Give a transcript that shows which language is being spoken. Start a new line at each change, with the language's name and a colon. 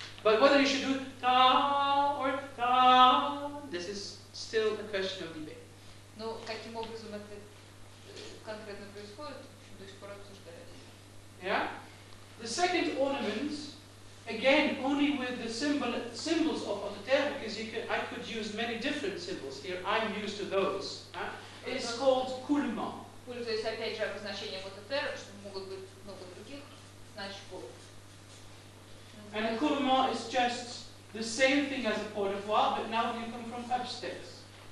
English: But whether you should do ta or ta, this is still a question of debate.
Russian: Но каким образом это конкретно происходит, до сих пор обсуждается.
English: Yeah? The second ornament, again, only with the symbols of Ototer, because I could use many different symbols here, I'm used to those, is called coulement.
Russian: Пользуясь опять же обозначением Ототера, что могут быть много других значков.
English: And a coulement is just the same thing as a bord de voix, but now you come from upstairs.